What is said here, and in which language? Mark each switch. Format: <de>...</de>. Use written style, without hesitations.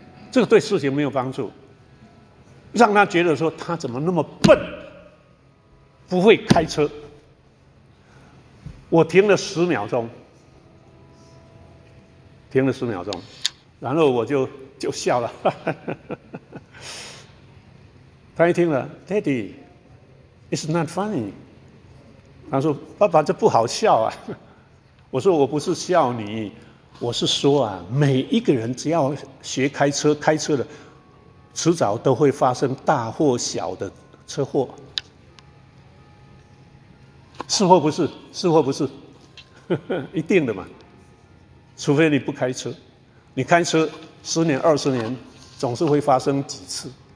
<zh>这个对事情没有帮助，让他觉得说他怎么那么笨，不会开车。我停了10秒钟，停了10秒钟，然后我就笑了。他一听了</zh> <en>，Daddy, it's not funny。</en> <zh>他说：“爸爸，这不好笑啊。” 我说：“我不是笑你，我是说啊，每一个人只要学开车，开车的迟早都会发生大或小的车祸。” 是或不是？是或不是？一定的嘛，除非你不开车，你开车10年20年总是会发生几次。</zh>